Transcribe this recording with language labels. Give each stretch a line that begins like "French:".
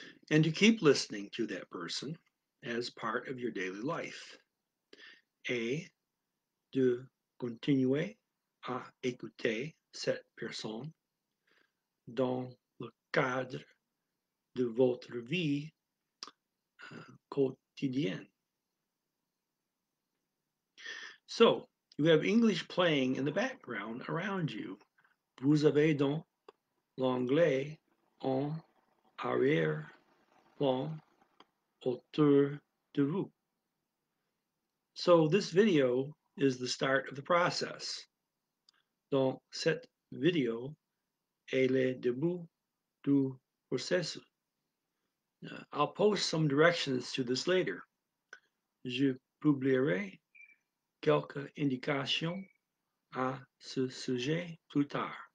English: And to keep listening to that person as part of your daily life.
French: Et de continuer à écouter cette personne dans le cadre de votre vie quotidienne.
English: So, you have English playing in the background around you.
French: Vous avez donc l'anglais en arrière plan autour de vous.
English: So this video is the start of the process.
French: Donc cette vidéo est le début du processus.
English: I'll post some directions to this later.
French: Je publierai quelques indications à ce sujet plus tard.